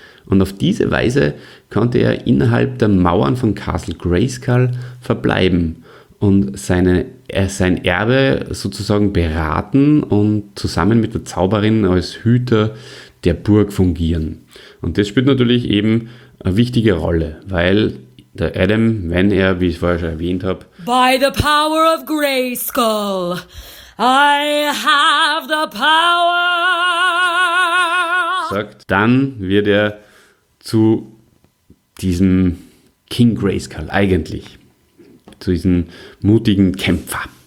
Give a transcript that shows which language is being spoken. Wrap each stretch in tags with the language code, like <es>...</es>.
<de>Und auf diese Weise konnte er innerhalb der Mauern von Castle Grayskull verbleiben und sein Erbe sozusagen beraten und zusammen mit der Zauberin als Hüter der Burg fungieren. Und das spielt natürlich eben eine wichtige Rolle, weil der Adam, wenn er, wie ich vorher schon erwähnt habe,</de> <en>By the power of Grayskull, I have the power,</en> <de>sagt, dann wird er zu diesem King Grayskull eigentlich, zu diesem mutigen Kämpfer.</de>